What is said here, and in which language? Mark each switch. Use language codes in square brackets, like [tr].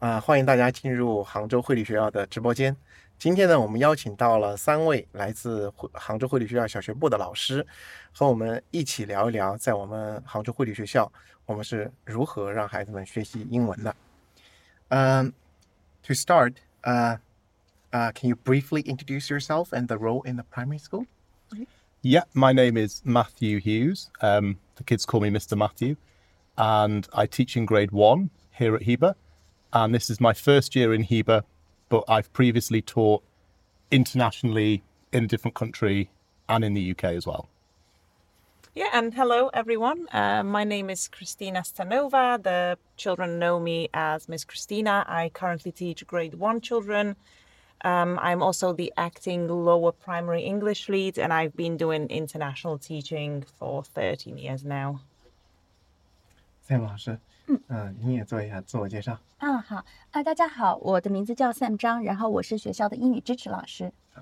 [zh] 欢迎大家进入杭州汇理学校的直播间。今天呢，我们邀请到了三位来自杭州汇理学校小学部的老师，和我们一起聊一聊，在我们杭州汇理学校，我们是如何让孩子们学习英文的。 [en] To start, can you briefly introduce yourself and the role in the primary school? Yeah, my name is Matthew Hughes. The kids call me Mr. Matthew, and I teach in grade one here at Heber. And this is my first year in Heber, but I've previously taught internationally in a different country and in the UK as well. Yeah, and hello everyone. My name is Christina Stanova. The children know me as Miss Christina. I currently teach grade one children. I'm also the acting lower primary English lead, and I've been doing international teaching for 13 years now. [zh] Sam 老师，你也做一下自我介绍。好啊，大家好，我的名字叫 Sam 张，然后我是学校的英语支持老师。